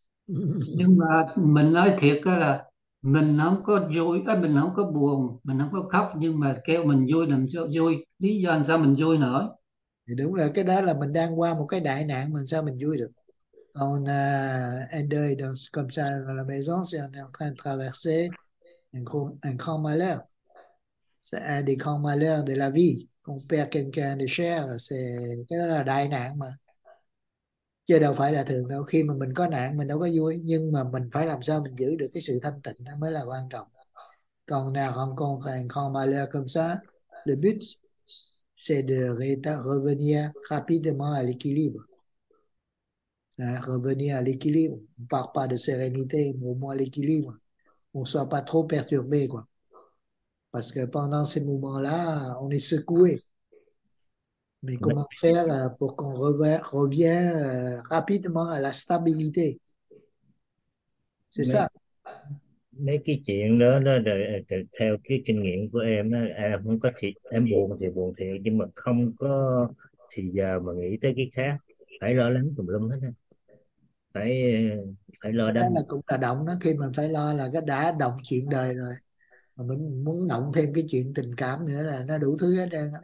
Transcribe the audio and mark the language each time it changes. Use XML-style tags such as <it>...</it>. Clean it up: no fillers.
<vi>Nhưng mà mình nói thiệt đó là mình không có vui, mình không có buồn, mình không có khóc, nhưng mà kêu mình vui làm sao vui, lý do làm sao mình vui nữa. Thì đúng là cái đó là mình đang qua một cái đại nạn, mình sao mình vui được.</vi> <fr>On est dans comme ça dans la maison, si on est en train de traverser un grand malheur. C'est un des grands malheurs de la vie. Qu'on perd quelqu'un de cher, c'est</fr> <vi>cái đó là đại nạn mà. Chứ đâu phải là thường đâu. Khi mà mình có nạn mình đâu có vui, nhưng mà mình phải làm sao mình giữ được cái sự thanh tịnh đó mới là quan trọng. Còn nào không còn thành không mà lơ cơm sá.</vi> <fr>Le but c'est de revenir rapidement à l'équilibre. Hein, revenir à l'équilibre. On ne part pas de sérénité, mais au moins l'équilibre. On ne soit pas trop perturbé, quoi. Parce que pendant ces moments-là, on est secoué. Mais comment faire pour qu'on revienne rapidement à la stabilité? C'est</fr> <vi>Mấy</vi> <fr>ça.</fr> <vi>cái chuyện đó đó theo cái kinh nghiệm của em đó, em không có thiệt, em buồn thì buồn thiệt, nhưng mà không có thì giờ mà nghĩ tới cái khác, phải lo lắng tùm lum hết, phải phải lo Là đâm. cũng đã động đó, khi mình phải lo là cái đã động chuyện đời rồi mà mình muốn động thêm cái chuyện tình cảm nữa là nó đủ thứ hết trơn đó.</vi>